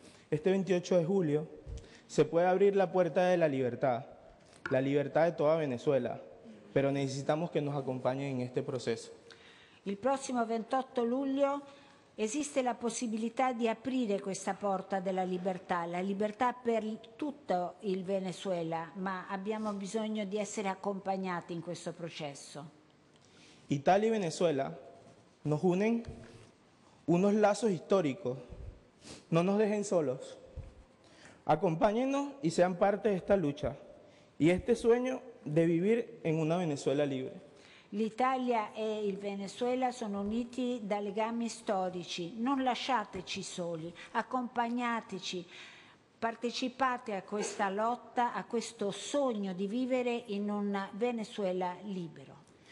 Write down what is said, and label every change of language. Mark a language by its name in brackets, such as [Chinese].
[Spanish] Este 28 de julio se puede abrir la puerta de la libertad de toda Venezuela, pero necesitamos que nos acompañen en este proceso. [Italian] Il prossimo 28 luglio esiste la possibilità di aprire questa porta della libertà, la libertà per tutto il Venezuela, ma abbiamo bisogno di essere accompagnati in questo processo. [Spanish] Italia e Venezuela nos unen unos lazos históricos. No nos dejen solos. Acompáñennos y sean parte de esta lucha y este sueño de vivir en una Venezuela libre. [Italian] L'Italia e il Venezuela sono uniti da legami storici. Non lasciateci soli, accompagnateci, partecipate a questa lotta, a questo sogno di vivere in un Venezuela libero.